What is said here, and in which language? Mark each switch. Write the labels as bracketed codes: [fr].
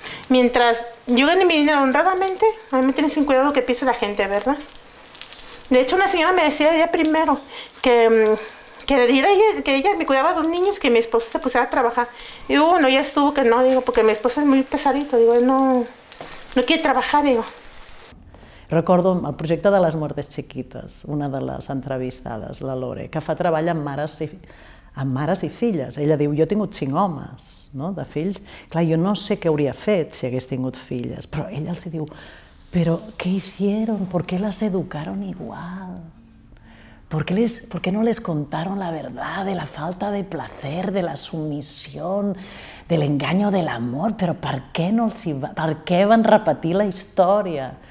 [es] Mientras yo gane mi dinero honradamente, a mí me tiene sin cuidado lo que piense la gente, ¿verdad? De hecho, una señora me decía ella primero que ella me cuidaba a dos niños, que mi esposo se pusiera a trabajar. Y bueno, ya estuvo que no, digo, porque mi esposo es muy pesadito, digo, él no quiere trabajar, digo. [ca] Recordo el projecte de les Mortes Chiquites, una de les entrevistades, la Lore, que fa treball amb mares i filles. Ella diu, jo he tingut 5 homes, no?, de fills. Clar, jo no sé què hauria fet si hagués tingut filles, però ella els diu, però [es] què hicieron? ¿Por qué las educaron igual? ¿Por qué no les contaron la verdad de la falta de placer, de la sumisión, del engaño de [ca] l'amor? Però per què van repetir la història?